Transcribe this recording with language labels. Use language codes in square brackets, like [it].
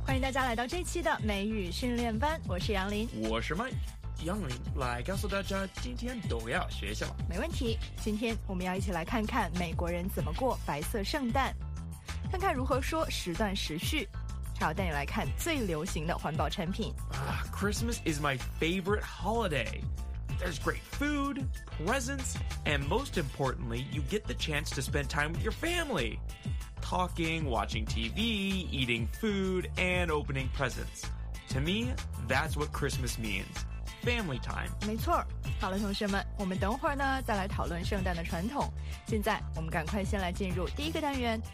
[zh] 家来到这期的美语训练班，我是杨林，我是麦。杨林来告诉大家今天都要学什么。没问题，今天我们要一起来看看美国人怎么过白色圣诞，看看如何说时断时续，还要带你来看最流行的环保产品。 [en] Christmas is my favorite holiday. There's great food, presents, and most importantly, you get the chance to spend time with your family. Talking, watching TV, eating food, and opening presents. To me, that's what Christmas means. Family time. [zh] 没错。好了，同学们，我们等会儿呢再来讨论圣诞的传统。现在我们赶快先来进入第一个单元。